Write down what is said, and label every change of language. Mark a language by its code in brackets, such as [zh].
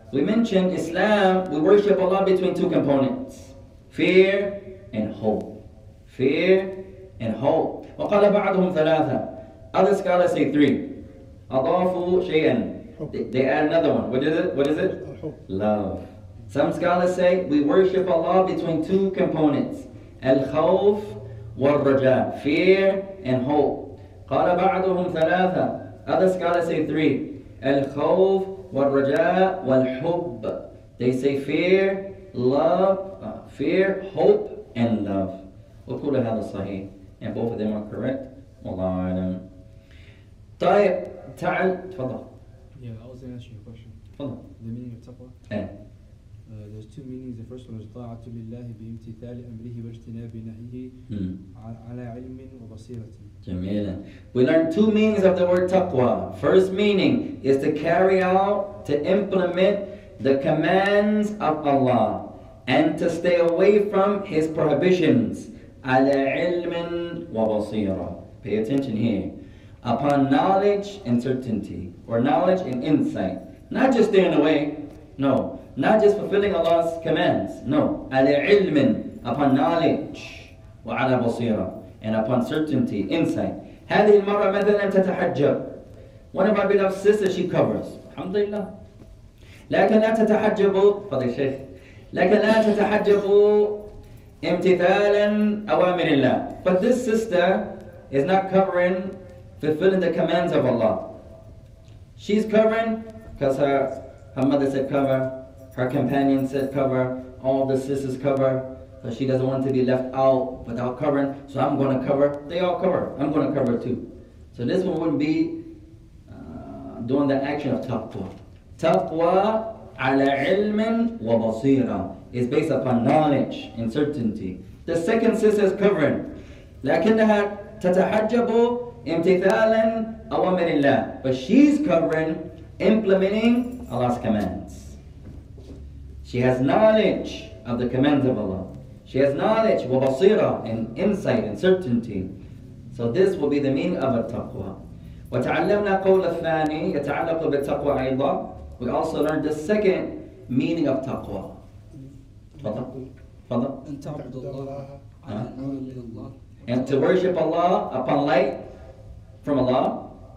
[en] We mentioned Islam, we worship Allah between two components. Fear and hope. Fear and hope. [ar] وقال بعضهم ثلاثة. [en] Other scholars say three. [ar] أضافوا شيئاً. [en] They add another one. What is it? What is it? Love. Some scholars say we worship Allah between two components. [ar] الخوف والرجاء. [en] Fear and hope. [ar] قال بعضهم ثلاثة. [en] Other scholars say three. [ar] الخوف والرجاء والحب. [en] They say fear, love, fear, hope, and love. [ar] وكل هذا صحيح. [en] And both of them are correct. [ar] والله أعلم. طيب تعال تفضل. [en] Yeah, I was going to ask you a question. [ar] تفضل. [en] The meaning of taqwa? There's two meanings. The first one is [ar] طاعة لله بامتثال أمره واجتناب نهيه على علم وبصيرة. جميلة. [en] We learned two meanings of the word taqwa. First meaning is to carry out, to implement the commands of Allah and to stay away from His prohibitions. [ar] على علم وبصيرة. [en] Pay attention here. Upon knowledge and certainty, or knowledge and insight. Not just staying away, no. Not just fulfilling Allah's commands, no. [ar] عَلَى عِلْمٍ, [en] upon knowledge, [ar] وَعَلَى بَصِيرًا, [en] and upon certainty, insight. [ar] هَذِهِ الْمَرَّةَ مَثَلًا تَتَحَجَّبْ. [en] One of my beloved sisters, she covers. [ar] Alhamdulillah. لَكَنْ لَا تَتَحَجَّبُ, [en] Father Sheikh. [ar] لَكَنْ لَا تَتَحَجَّبُ امْتِثَالًا أَوَامِرِ اللَّهِ. [en] But this sister is not covering, fulfilling the commands of Allah. She's covering because her mother said cover, her companion said cover, all the sisters cover, but she doesn't want to be left out without covering, so I'm going to cover. They all cover. I'm going to cover too. So this one wouldn't be doing the action of taqwa. Taqwa [ar] ala ilmin wa basira [en] is based upon knowledge and certainty. The second sister is covering. [ar] لكنها تتحجب امتثالاً أوامر الله. [en] But she's covering, implementing Allah's commands. She has knowledge of the commands of Allah. She has knowledge, وبصيرة, and insight and certainty. So this will be the meaning of التقوى. [ar] وتعلمنا قول الثاني يتعلق بالتقوى أيضا. [en] We also learned the second meaning of تقوى. [ar] تفضل. أن تعبد الله على نور من الله [en] And to worship Allah upon light from Allah.